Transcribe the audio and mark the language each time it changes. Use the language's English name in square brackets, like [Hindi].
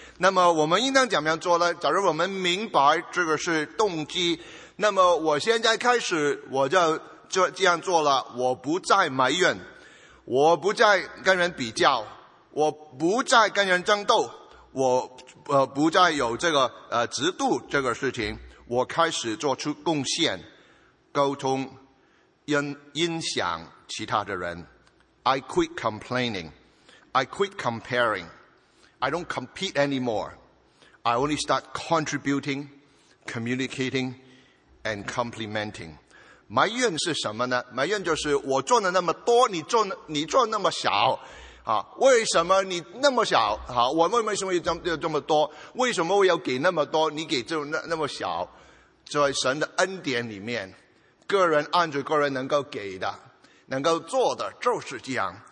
[Chinese] 那么我们应当怎么样做呢？假如我们明白这个是动机，那么我现在开始我就这样做了，我不再埋怨，我不再跟人比较，我不再跟人争斗，我不再有这个嫉妒这个事情，我开始做出贡献、沟通、影响其他的人。 [English] I quit complaining, I quit comparing, I don't compete anymore, I only start contributing, communicating and complimenting. [Chinese] 埋怨是什么呢？埋怨就是我做了那么多，你做那么少啊，为什么你那么小啊，我为什么要这么多，为什么我要给那么多，你给就 那么小。在神的恩典里面，个人按着个人能够给的、能够做的就是这样。